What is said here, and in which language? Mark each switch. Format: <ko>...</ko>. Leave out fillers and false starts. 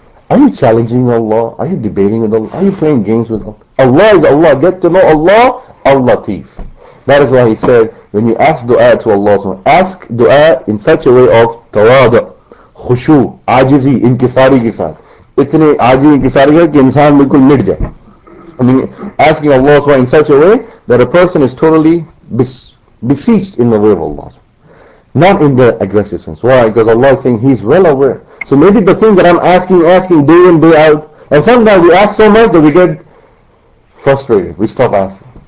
<en>Are you challenging Allah? Are you debating with Allah? Are you playing games with Allah? Allah is Allah. Get to know Allah, Al-Latif. That is why he said, when you ask dua to Allah, ask dua in such a way of tawadu, khushu,</en> <ur>ajizi, inkisari ki saath. اتنے عاجزی، انکساری ہے کہ انسان بالکل مٹ جائے۔</ur> <en>I mean, asking Allah in such a way that a person is totally beseeched in the way of Allah. Not in the aggressive sense. Why? Because Allah is saying He's well aware. So maybe the thing that I'm asking day in, day out. And sometimes we ask so much that we get frustrated. We stop asking.</en>